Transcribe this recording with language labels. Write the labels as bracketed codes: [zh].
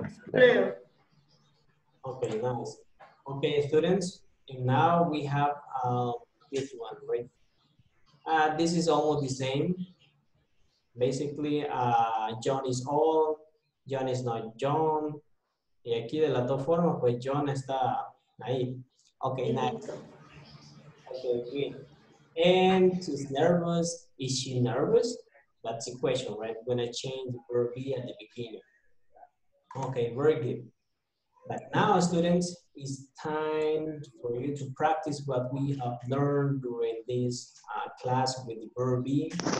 [en] Clear. Okay, nice. Okay, students, and now we have this one, right? This is almost the same. Basically, John is old, John is not John. [es] Y aquí de las dos formas, pues John está ahí. [en] Okay, nice. Okay, good. And she's nervous. Is she nervous? That's the question, right? When I change the verb be at the beginning. Okay, very good. But now, students, it's time for you to practice what we have learned during this class with the verb be.